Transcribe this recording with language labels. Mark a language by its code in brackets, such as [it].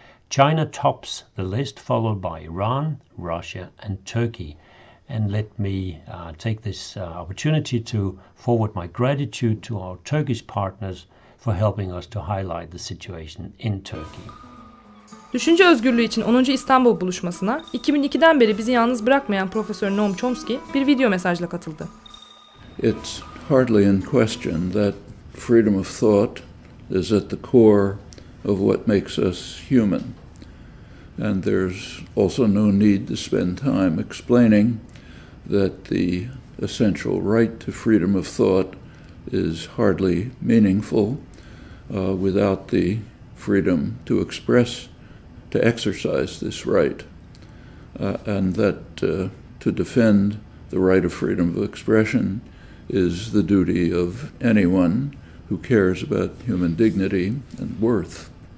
[en] China tops the list, followed by Iran, Russia, and Turkey. And let me take this opportunity to forward my gratitude to our Turkish partners for helping us to highlight the situation in Turkey. [tr] Düşünce özgürlüğü için 10. İstanbul buluşmasına 2002'den beri bizi yalnız bırakmayan Profesör Noam Chomsky bir video mesajla katıldı. [en] It's hardly in question that freedom of thought is at the core of what makes us human. And there's also no need to spend time explaining that the essential right to freedom of thought is hardly meaningful without the freedom to express, to exercise this right, and that to defend the right of freedom of expression is the duty of anyone who cares about human dignity and worth.